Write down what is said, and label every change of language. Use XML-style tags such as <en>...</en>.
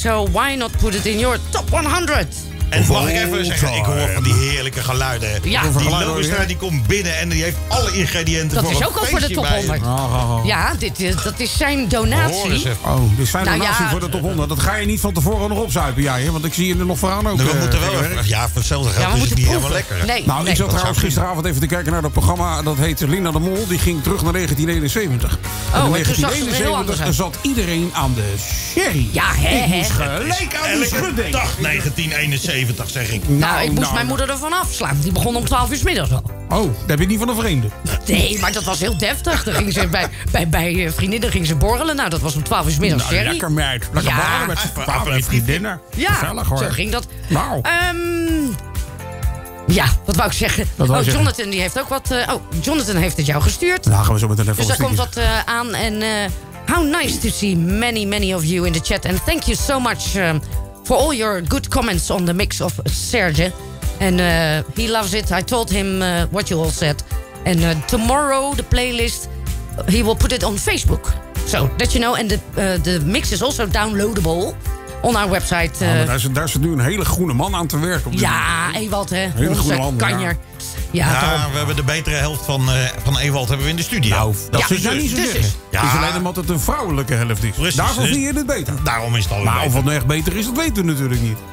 <en>So why not put it in your top 100?</en> <nl>En mag ik even zeggen, ik hoor van die heerlijke geluiden. Ja. Die Loosna die komt binnen en die heeft alle ingrediënten dat voor een feestje bij. Dat is ook al voor de top 100. Ja, dat is zijn donatie. Dit is zijn donatie voor de top 100. Dat ga je niet van tevoren nog opzuipen, jij. Want ik zie je er nog vooraan ook. We moeten wel. Ja, voor hetzelfde geld is het niet helemaal lekker. Nee, nou, ik zat trouwens gisteravond even te kijken naar dat programma. Dat heette Linda de Mol. Die ging terug naar 1971. Oh, en toen zag ze er heel anders uit. Zat iedereen aan de sherry. Ja, gelijk aan de schudding. Dag 1971. 70, zeg ik. Ik moest mijn moeder ervan afslaan. Die begon om 12 uur 's middags al. Oh, daar ben je niet van een vreemde. Nee, maar dat was heel deftig. Dan ging ze bij vriendinnen ging ze borrelen. Nou, dat was om 12 uur 's middags. Nou, lekker meid. Lekker borrelen met vrouwen en vriendinnen. Ja, gezellig, hoor. Zo ging dat. Wauw. Ja, wat wou ik zeggen? Jonathan die heeft ook wat... Jonathan heeft het jou gestuurd. Nou, gaan we zo meteen even dus daar komt wat aan.</nl> <en>En how nice to see many, many of you in the chat. And thank you so much... for all your good comments on the mix of Serge. And he loves it. I told him what you all said. And tomorrow, the playlist, he will put it on Facebook. So, let you know. And the mix is also downloadable on our website.</en> <nl>Daar zit nu een hele groene man aan te werken. Ja, Ewald, hè. Hele groene man, kanjer. We hebben de betere helft van Ewald hebben we in de studio. Nou, dat is niet zo zeggen. Het is alleen omdat het een vrouwelijke helft is. Precies, daarvoor zie je het beter. Daarom is het al Maar of het nou echt beter is, dat weten we natuurlijk niet.</nl>